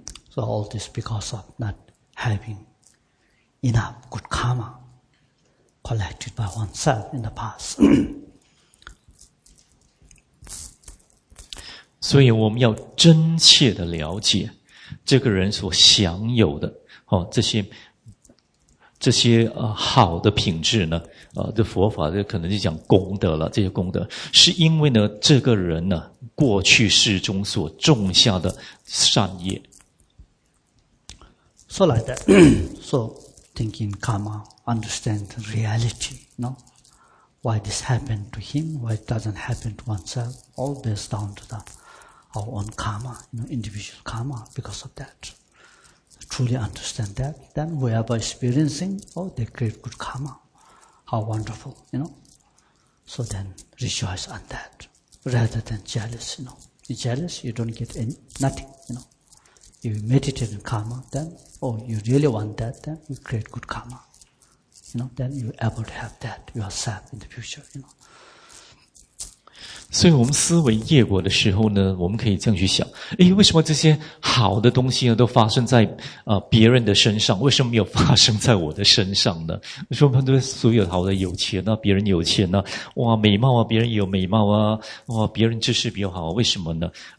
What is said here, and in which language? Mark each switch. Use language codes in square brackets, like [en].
[en] So all this because of not having enough good karma collected by oneself in the past. [zh] 所以我们要真切的了解这个人所享有的、哦、这些好的品质呢，这佛法就可能就讲功德了。这些功德是因为呢，这个人呢过去世中所种下的善业。 [en] So like that, so thinking karma, understand the reality, no? Why this happened to him? Why it doesn't happen to oneself? All based down to the our own karma, you know, individual karma. Because of that. Truly understand that, then whoever experiencing, oh, they create good karma. How wonderful, you know. So then rejoice on that, rather than jealous, you know. You're jealous, you don't get nothing, you know. You meditate in karma, then, oh, you really want that, then you create good karma. You know, then you're able to have that yourself in the future, you know. [zh] 所以我们思维业果的时候呢，我们可以这样去想，诶，为什么这些好的东西呢都发生在别人的身上，为什么没有发生在我的身上呢？为什么所有好的有钱啊，别人有钱啊，哇，美貌啊，别人有美貌啊，哇，别人知识比较好，为什么呢？